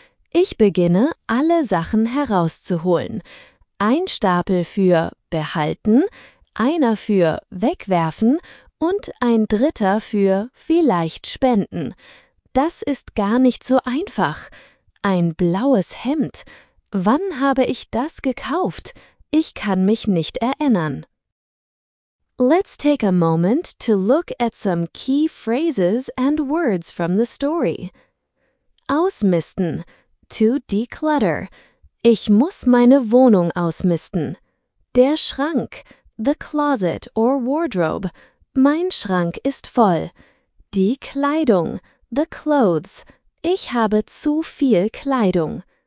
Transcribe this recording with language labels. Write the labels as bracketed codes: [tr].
[de] Ich beginne, alle Sachen herauszuholen. Ein Stapel für behalten, einer für wegwerfen und ein dritter für vielleicht spenden. Das ist gar nicht so einfach. Ein blaues Hemd. Wann habe ich das gekauft? Ich kann mich nicht erinnern. [en] Let's take a moment to look at some key phrases and words from the story. Ausmisten. To declutter. [de] Ich muss meine Wohnung ausmisten. [en] Der Schrank. The closet or wardrobe. [de] Mein Schrank ist voll. Die Kleidung. [en] The clothes. [de] Ich habe zu viel Kleidung.